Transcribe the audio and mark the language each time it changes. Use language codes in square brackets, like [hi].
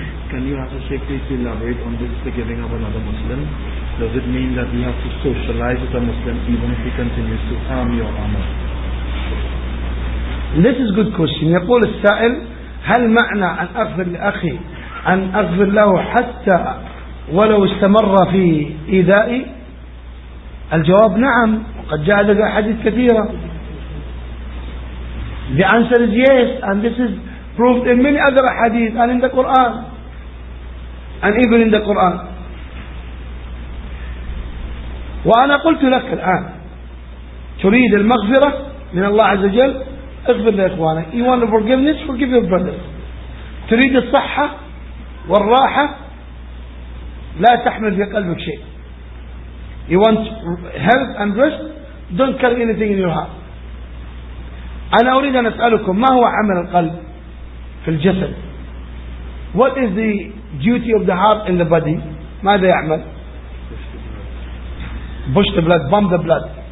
[en] Can you have a Sheikh please elaborate on this forgiving of another Muslim? Does it mean that we have to socialize with a Muslim even if he continues to harm your honor? This is a good question. [ar] يقول السائل هل معنى أن أغفر لأخي أن أغفر له حتى ولو استمر في إيذائي؟ الجواب نعم، وقد جاء لدى حديث كثيرة. [en] The answer is yes, and this is proved in many other hadith and in the Quran and even in the Quran. [ar] وأنا قلت لك الآن تريد المغفرة من الله عز وجل اغفر لإخوانك. [en] You want forgiveness, forgive your brothers. [ar] تريد الصحة والراحة لا تحمل في قلبك شيء. [en] You want health and rest, don't carry anything in your heart. [ar] أنا أريد أن أسألكم ما هو عمل القلب في الجسد؟ [en] What is the duty of the heart in the body? [ar] ماذا يعمل؟ [en] Push the blood, pump the blood.